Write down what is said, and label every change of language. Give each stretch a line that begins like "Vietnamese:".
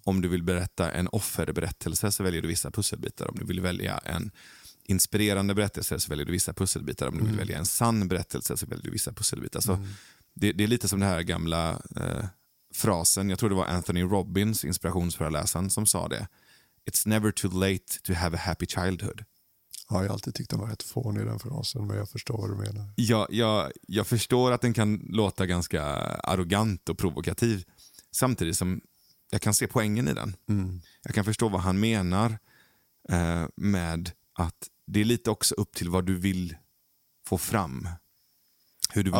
Swedish: Om du vill berätta en offerberättelse så väljer du vissa pusselbitar. Om du vill välja en inspirerande berättelse så väljer du vissa pusselbitar. Om du vill välja en sann berättelse så väljer du vissa pusselbitar. Så det är lite som den här gamla frasen. Jag tror det var Anthony Robbins, inspirationsföreläsaren, som sa det.
English: It's never too late to have a happy childhood.
Swedish: Ja, jag har alltid tyckt den var rätt fånig, den frasen, men jag förstår vad du menar. Ja, jag förstår att den kan låta ganska arrogant och provokativ, samtidigt som jag kan se poängen i den. Mm. Jag kan förstå vad han menar med att det är lite också upp till vad du vill få fram, hur du vill